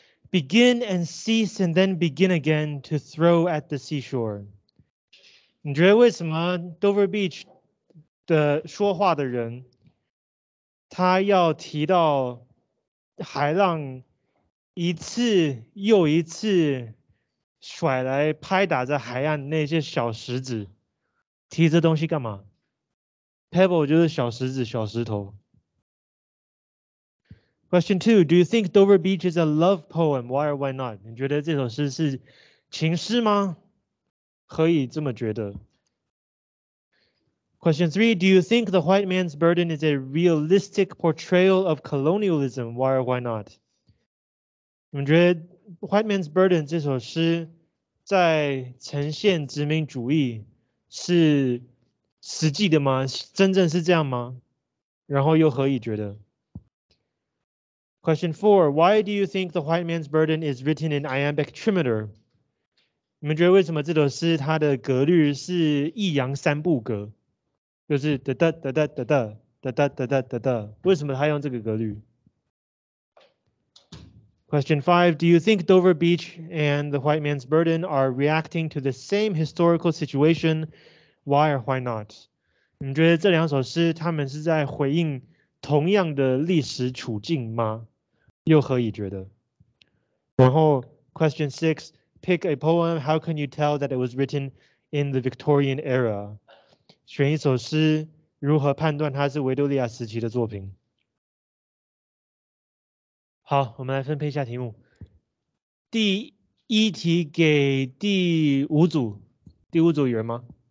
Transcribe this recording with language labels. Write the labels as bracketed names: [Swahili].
[English] Begin and cease and then begin again to throw at the seashore. [Chinese] 你觉得为什么 Dover Beach 的说话的人他要提到海浪一次又一次甩来拍打在海岸那些小石子，提这东西干嘛？ Pebble 就是小石子小石头。 [English] Question two, do you think Dover Beach is a love poem? Why or why not? [Chinese] 你觉得这首诗是情诗吗？可以这么觉得。 [English] Question three, do you think The White Man's Burden is a realistic portrayal of colonialism? Why or why not? [Chinese] 你们觉得 White Man's Burden 这首诗在呈现殖民主义是实际的吗？真正是这样吗？然后又何以觉得？ [English] Question four, why do you think the white man's burden is written in iambic trimeter? [Chinese] 你们觉得为什么这首诗它的格律是抑扬三部格？就是哒哒哒哒哒哒哒哒哒哒哒哒，为什么它用这个格律？ [English] Question five, do you think Dover Beach and the white man's burden are reacting to the same historical situation? Why or why not? [Chinese] 你们觉得这两首诗他们是在回应同样的历史处境吗？又何以觉得？然后 [English] ，Question six, pick a poem. How can you tell that it was written in the Victorian era? [Chinese] 选一首诗，如何判断它是维多利亚时期的作品？好，我们来分配一下题目。第一题给第五组，第五组有人吗？